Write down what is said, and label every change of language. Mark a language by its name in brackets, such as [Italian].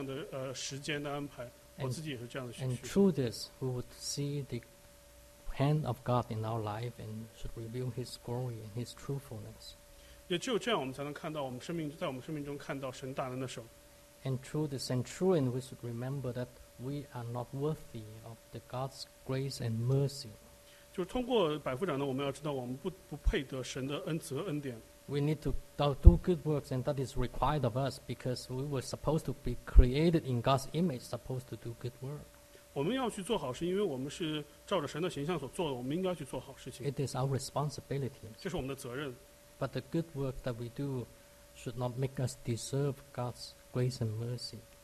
[Chinese] 去信靠神的这样的美善，也同时要去信靠神的这样的时间的安排。我自己也是这样的学习。 [English] And through this, we would see the hand of God in our life and should reveal His glory and His truthfulness. [Chinese] 也只有这样，我们才能看到我们生命，在我们生命中看到神大能的手。 [English] And through the centurion, we should remember that we are not worthy of the God's grace and mercy. [Chinese] 就是通过百夫长呢，我们要知道我们不配得神的恩慈和恩典。 [English] We need to do good works, and that is required of us because we were supposed to be created in God's image, supposed to do good work. [Chinese] 我们要去做好事，因为我们是照着神的形象所做的，我们应该去做好事情。 [English] It is our responsibility. [Chinese] 这是我们的责任。 [English] But the good work that we do should not make us deserve God's grace and mercy.